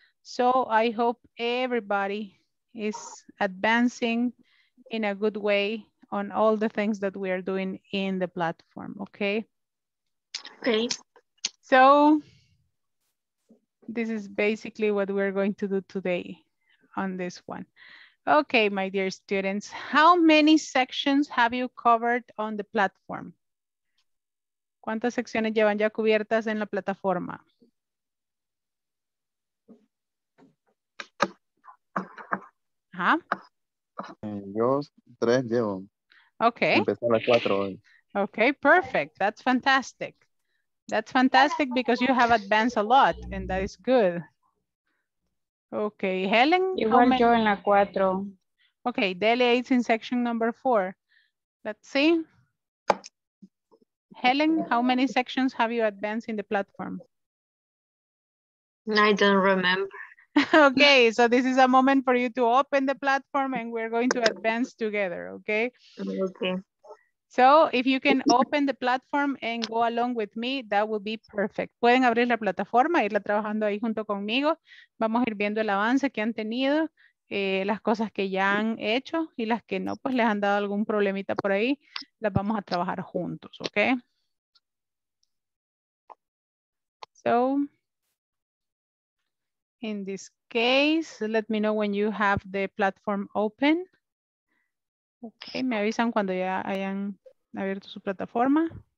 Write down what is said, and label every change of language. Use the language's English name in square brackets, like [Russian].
[English] So I hope everybody is advancing in a good way on all the things that we are doing in the platform, okay? Okay. So this is basically what we're going to do today on this one. Okay, my dear students, how many sections have you covered on the platform? [Spanish] ¿Cuántas secciones llevan ya cubiertas en la plataforma? Ajá. Yo tres llevo. [English] Okay. [Spanish] Empezar las cuatro hoy. [English] Okay, perfect. That's fantastic. That's fantastic because you have advanced a lot, and that is good. Okay, Helen. [Spanish] Igual yo en la cuatro. [English] Okay, Delia is in section number four. Let's see. Helen, how many sections have you advanced in the platform? I don't remember. Okay, so this is a moment for you to open the platform and we're going to advance together, okay? Okay. So if you can open the platform and go along with me, that would be perfect. [Spanish] Pueden abrir la plataforma, irla trabajando ahí junto conmigo. Vamos a ir viendo el avance que han tenido, las cosas que ya han hecho y las que no, pues les han dado algún problemita por ahí, las vamos a trabajar juntos, okay? [English] So, in this case, let me know when you have the platform open. [Spanish] Okay, me avisan cuando ya hayan abierto su plataforma.